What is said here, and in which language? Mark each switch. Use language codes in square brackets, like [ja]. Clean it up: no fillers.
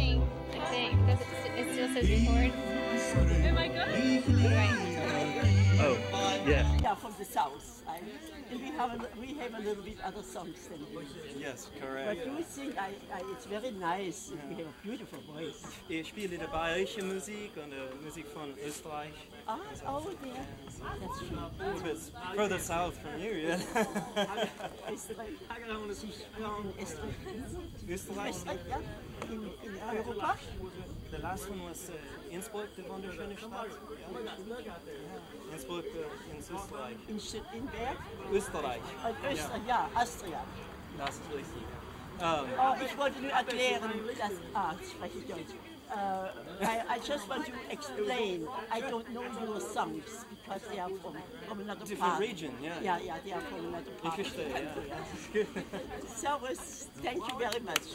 [en] Recording, I think. Does it still says record? Am I good? Oh, yeah. Yeah, from the south. times, and we have a little bit other songs than you. Yes, correct. But you sing, it's very nice, yeah. You have a beautiful voice. [de] Ich spiele die bayerische Musik und Musik von Österreich. [en] Ah, dear. That's true. A little bit further south from you, yeah. [de] Österreich. Österreich. Österreich, ja. In Europa. [en] The last one was Innsbruck, the [de] wunderschöne Stadt. [en] Yeah. [de] Innsbruck in Österreich. [en] In where? [de] Österreich. [en] Austria. [de] Das ist richtig. Ich wollte nur erklären, dass. Spreche ich Deutsch. [en] I just want to explain. I don't know your songs because they are from another different part. Different region, yeah. Yeah, they are from another part. [de] Ich verstehe, [en] yeah. That's good. Servus, thank you very much.